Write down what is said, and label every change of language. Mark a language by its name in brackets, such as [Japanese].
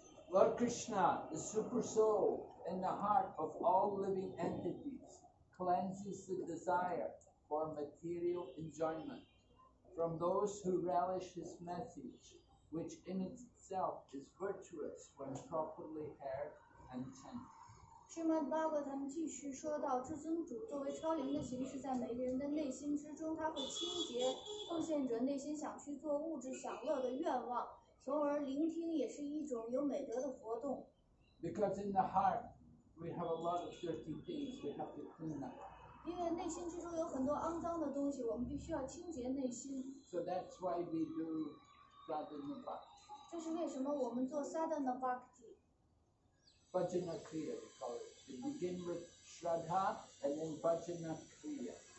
[English] Lord Krishna, the super soul in the heart of all living entities, cleanses the desire for material enjoyment from those who relish his message, which in itself is virtuous when properly heard and chanted. [Chinese] 师曼巴格他们继续说到，至尊主作为超灵的形式，在每个人的内心之中，他会清洁奉献者内心想去做物质享乐的愿望，从而聆听也是一种有美德的活动。 [English] Because in the heart we have a lot of dirty things, we have to clean up. [Chinese] 因为内心之中有很多肮脏的东西，我们必须要清洁内心。 [English] So that's why we do sadhana bhakti. [Chinese] 这是为什么我们做 sadhana bhakti. [English] Bhajana Kriya, we call it. We begin with Shraddha and then Bhajana Kriya.